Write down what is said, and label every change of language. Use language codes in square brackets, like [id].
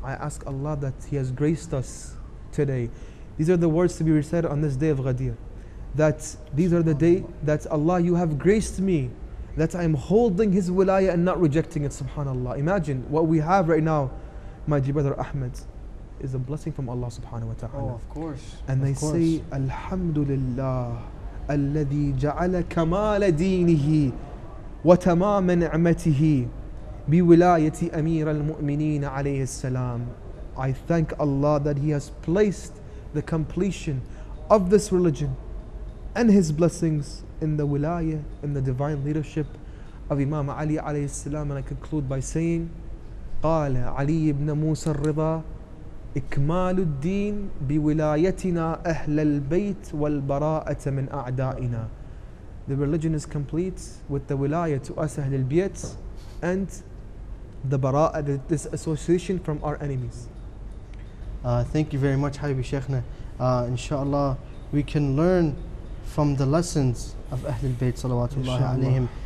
[en] I ask Allah that He has graced us today. These are the words to be recited on this day of Ghadir. That these are the day that Allah, you have graced me, that I am holding His wilayah and not rejecting it, subhanAllah. Imagine what we have right now, my dear brother Ahmed, is a blessing from Allah subhanahu wa ta'ala. Oh, of course. And of they course. Say, Alhamdulillah. [ar] الذي جعل كمال دينه وتمام نعمته بولاية أمير المؤمنين عليه السلام. [en] I thank Allah that He has placed the completion of this religion and His blessings in the wilayah, in the divine leadership of Imam Ali عليه السلام. And I conclude by saying, [ar] قال علي بن موسى الرضا إكمال الدين بولايتنا أهل البيت والبراءة من أعدائنا. [en] The religion is complete with the wilayah to us Ahlul Bayt and the bara'ah, the disassociation from our enemies. Thank you very much, Habibi Sheikhna. Inshallah, we can learn from the lessons of Ahlul Bayt salawatullahi alayhim.